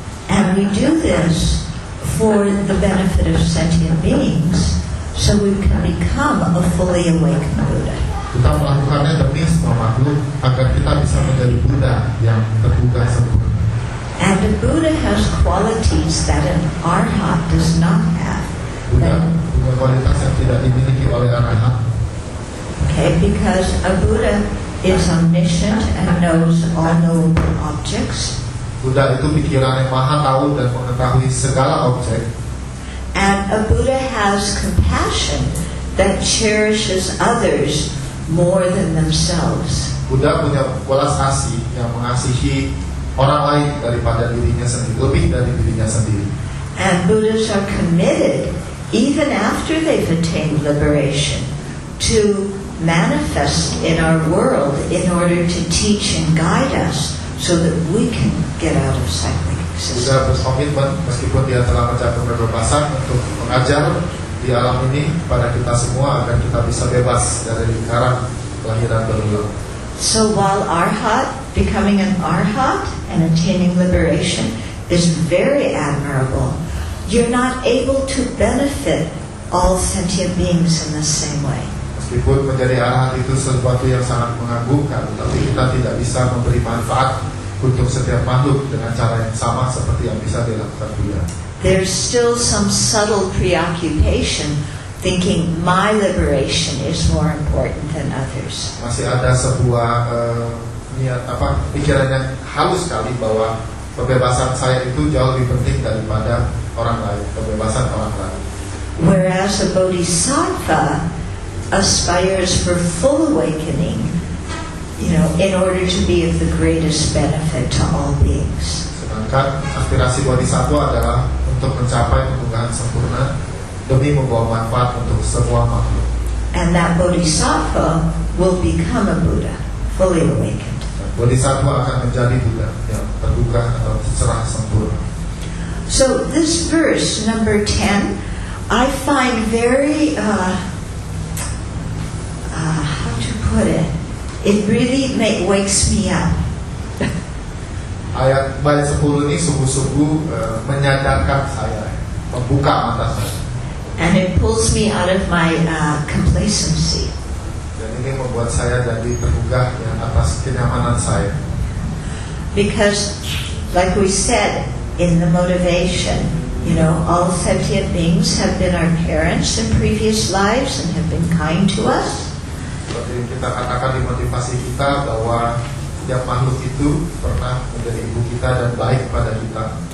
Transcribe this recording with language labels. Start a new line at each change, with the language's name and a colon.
English: And we do this for the benefit of sentient beings, so we can become a fully awakened Buddha.
Indonesian: Kita melakukannya demi semua makhluk agar kita bisa menjadi Buddha yang terbuka sempurna.
English: And the Buddha has qualities that an arhat does not have.
Indonesian: Buddha punya kualitas yang tidak dimiliki oleh arhat.
English: Okay, because a Buddha is omniscient and knows all knowable objects.
Indonesian: Buddha itu pikiran yang maha tahu dan mengetahui segala objek.
English: And a Buddha has compassion that cherishes others more than themselves.
Indonesian: Buddha punya welas asih yang mengasihi orang lain daripada dirinya sendiri, lebih dari dirinya sendiri.
English: And Buddhas are committed, even after they've attained liberation, to manifest in our world in order to teach and guide us so that we can get out of cyclic existence.
Indonesian: Buddha berkomitmen meskipun dia telah mencapai kebebasan untuk mengajar di alam ini kepada kita semua agar kita bisa bebas dari lingkaran kelahiran berulang.
English: So while arhat, becoming an arhat and attaining liberation is very admirable, you're not able to benefit all sentient beings in the same way.
Indonesian: Meskipun menjadi arhat itu sesuatu yang sangat mengagumkan, tapi kita tidak bisa memberi manfaat untuk setiap makhluk dengan cara yang sama seperti yang bisa dilakukan dia.
English: There's still some subtle preoccupation thinking my liberation is more important than others.
Indonesian: Masih ada sebuah niat apa pikirannya halus sekali bahwa kebebasan saya itu jauh lebih penting daripada orang lain, kebebasan orang lain.
English: Whereas a bodhisattva aspires for full awakening, you know, in order to be of the greatest benefit to all beings.
Indonesian: Sedangkan aspirasi bodhisattva adalah untuk mencapai kemuliaan sempurna demi membawa manfaat untuk semua makhluk.
English: And that bodhisattva will become a Buddha, fully awakened.
Indonesian: Bodhisattva akan menjadi Buddha yang terbuka atau secara sempurna.
English: So this verse number 10, I find very how to put it? It really wakes me up.
Indonesian: Ayat bait 10 ini sungguh-sungguh menyadarkan saya, membuka mata saya.
English: And it pulls me out of my complacency.
Indonesian: Dan ini membuat saya jadi terbungkah ya, atas kenyamanan saya.
English: Because, like we said in the motivation, you know, all sentient beings have been our parents in previous lives and have been kind to us.
Indonesian: Seperti kita katakan di motivasi kita bahwa setiap makhluk itu pernah menjadi ibu kita dan baik pada kita.